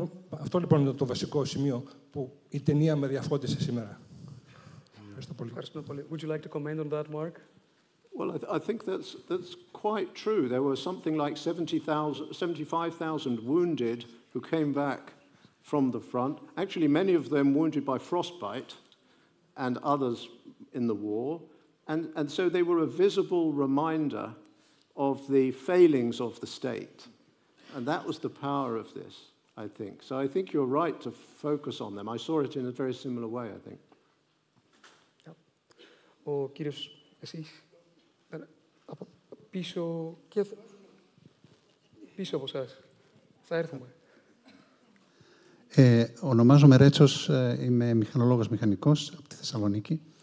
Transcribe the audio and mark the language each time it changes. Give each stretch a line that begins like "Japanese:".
Greek: Αυτό λοιπόν είναι το βασικό σημείο που η ταινία με διαφώτισε σήμερα. Ευχαριστώ πολύ. Ευχαριστώ πολύ.
English: Would you like to comment on that, Mark? Well, I think that's quite true. There were something like 75,000 wounded who came back from the front. Actually, many of them wounded by frostbite and others in the war. And so they were a visible reminder of the failings of the state. And that was the power of this, I think. So I think you're right to focus on them. I saw it in a very similar way, I think.
Greek: Ο κύριος, εσείς, από πίσω και πίσω από σας. Θα έρθουμε. Ονομάζομαι Ρέτσος, είμαι μηχανολόγος μηχανικός από τη Θεσσαλονίκη.